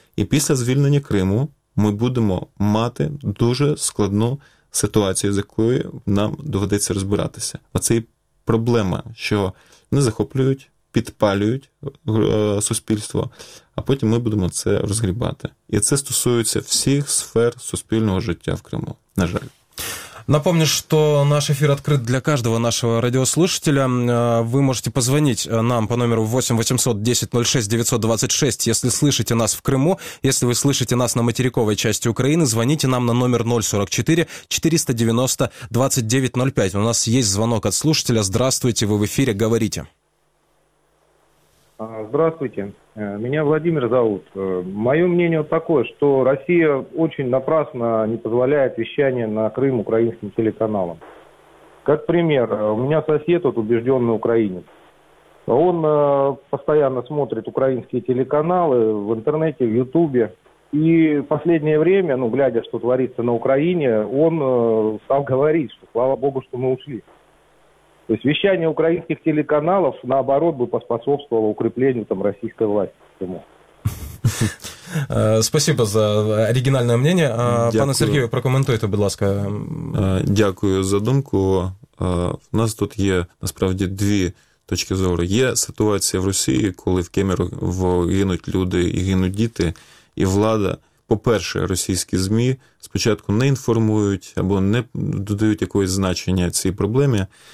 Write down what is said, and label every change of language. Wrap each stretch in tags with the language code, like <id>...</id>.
<uk>І після звільнення Криму ми будемо мати дуже складну ситуацію, з якою нам доведеться розбиратися. Оце і проблема, що не захоплюють, підпалюють суспільство, а потім ми будемо це розгрібати. І це стосується всіх сфер суспільного життя в Криму, на жаль.</uk> <ru>Напомню, что наш эфир открыт для каждого нашего радиослушателя. Вы можете позвонить нам по номеру 8 800 10 06 926, если слышите нас в Крыму. Если вы слышите нас на материковой части Украины, звоните нам на номер 044 490 2905. У нас есть звонок от слушателя. Здравствуйте, вы в эфире, говорите. Здравствуйте, меня Владимир зовут. Мое мнение вот такое, что Россия очень напрасно не позволяет вещание на Крым украинским телеканалам. Как пример, у меня сосед, вот убежденный украинец, он постоянно смотрит украинские телеканалы в интернете, в Ютубе. И в последнее время, ну, глядя, что творится на Украине, он стал говорить, что слава богу, что мы ушли. То есть вещание украинских телеканалов, наоборот, бы поспособствовало укреплению там российской власти. Спасибо за оригинальное мнение.</ru> <uk>Пане Сергію, прокоментуйте, будь ласка. Дякую за думку. У нас тут є, насправді, дві точки зору. Є ситуація в Росії, коли в Кемерово гинуть люди і гинуть діти, і влада, по-перше, російські ЗМІ спочатку не інформують або не додають якогось значення цій проблемі,</uk>